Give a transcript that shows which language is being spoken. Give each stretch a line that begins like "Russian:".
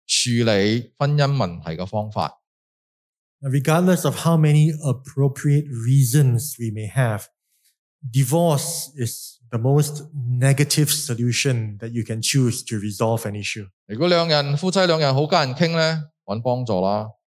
Chinese: 就是一个消极的处理婚姻问题的方法。
English: Regardless of how many appropriate reasons we may have, divorce is the most negative solution that you can choose to resolve an issue.
Chinese: 如果两人夫妻两人很难谈，找帮助吧。